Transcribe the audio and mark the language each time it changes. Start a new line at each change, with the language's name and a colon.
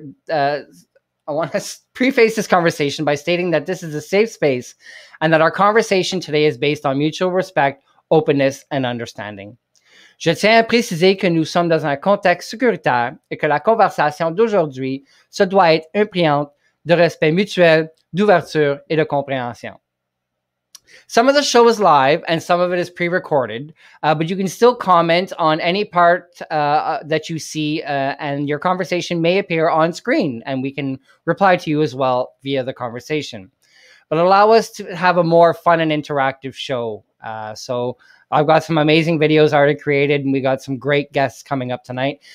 English: I want to preface this conversation by stating that this is a safe space and that our conversation today is based on mutual respect, openness and understanding.
French: Je tiens à préciser que nous sommes dans un contexte sécuritaire et que la conversation d'aujourd'hui se doit être imprégnante de respect mutuel, d'ouverture et de compréhension.
English: Some of the show is live and some of it is pre-recorded, but you can still comment on any part that you see and your conversation may appear on screen and we can reply to you as well via the conversation. But allow us to have a more fun and interactive show. So I've got some amazing videos already created and we got some great guests coming up tonight.